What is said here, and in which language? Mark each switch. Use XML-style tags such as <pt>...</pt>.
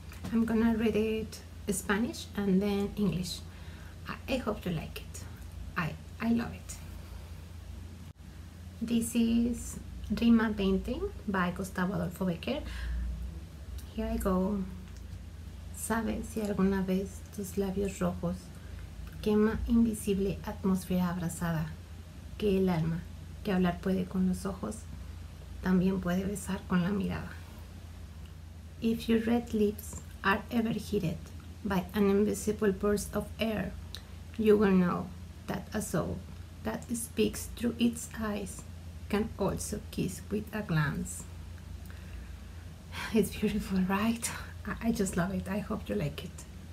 <en>I'm gonna read it in Spanish and then English. I hope you like it. I love it. This is Rima painting by Gustavo Adolfo Becquer. Here I go.</en> <es>¿Sabes si alguna vez tus labios rojos quema invisible atmósfera abrazada? Que el alma, que hablar puede con los ojos, también puede besar con la mirada.</es> <en>If your red lips are ever heated by an invisible burst of air, you will know that a soul that speaks through its eyes can also kiss with a glance. It's beautiful, right? I just love it. I hope you like it.</en>